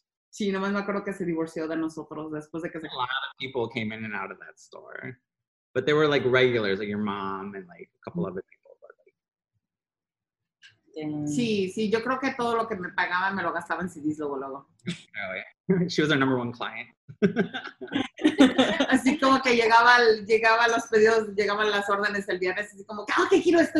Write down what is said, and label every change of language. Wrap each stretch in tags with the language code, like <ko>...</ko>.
<es>Sí, nomás me acuerdo que se divorció de nosotros después de que se...</es> <en>A lot of people came in and out of that store. But they were like regulars, like your mom and like a couple other people. But like...</en> <es>Sí, yo creo que todo lo que me pagaban me lo gastaba en CDs luego.</es> <en>Oh, yeah. She was our number one client.</en> <es>Así como que llegaba los pedidos, llegaban las órdenes el viernes, así como, ¡ah, que quiero esto!</es>